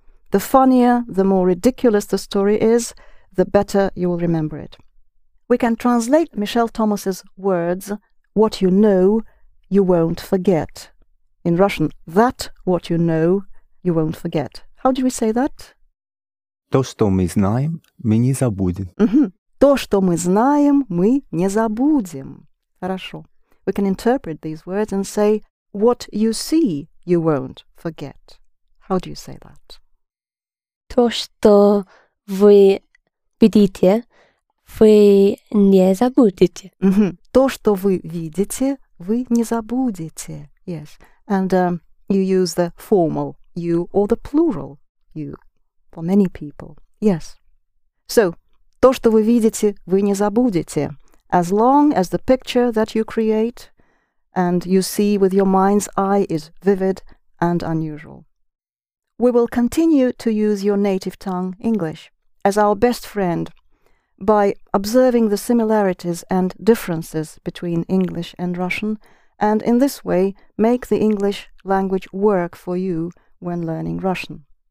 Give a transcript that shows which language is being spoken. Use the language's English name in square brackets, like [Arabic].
[English] The funnier, the more ridiculous the story is, the better you will remember it. We can translate Michelle Thomas's words, "what you know, you won't forget." In Russian, "that what you know, you won't forget." How do we say that? [Russian] То, что мы знаем, мы не забудем. То, что мы знаем, мы не забудем. Хорошо. [English] We can interpret these words and say, "what you see, you won't forget." How do you say that? [Russian] То, что вы видите, вы не забудете. Mm-hmm. То, что вы видите, вы не забудете. [English] Yes. And you use the formal you or the plural you for many people. Yes. [Russian] So, то, что вы видите, вы не забудете. [English] As long as the picture that you create and you see with your mind's eye is vivid and unusual. We will continue to use your native tongue, English, as our best friend by observing the similarities and differences between English and Russian, and in this way make the English language work for you when learning Russian.